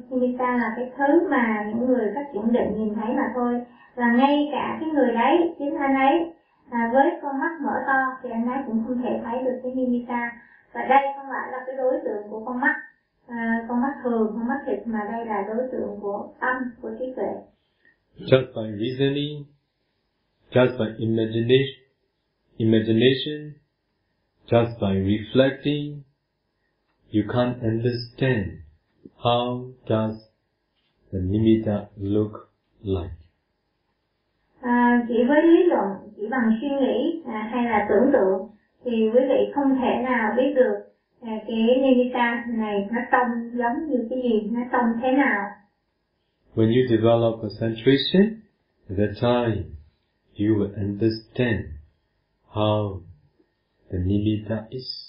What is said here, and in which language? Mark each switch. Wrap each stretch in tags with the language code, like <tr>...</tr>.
<vi>Nimitta là cái thứ mà những người phát triển định nhìn thấy mà thôi. Và ngay cả cái người đấy, chính anh ấy, với con mắt mở to thì anh ấy cũng không thể thấy được cái nimitta. Và đây không phải là cái đối tượng của con mắt thường, con mắt thịt, mà đây là đối tượng của tâm, của trí tuệ.</vi> <en>Just by reasoning, just by imagination, just by reflecting, you can't understand how does the nimitta look like.</en> <vi>Chỉ với lý luận, chỉ bằng suy nghĩ hay là tưởng tượng thì quý vị không thể nào biết được cái nimitta này nó trông giống như cái gì, nó trông thế nào.</vi> <en>When you develop concentration, at that time you will understand how the nimitta is.</en>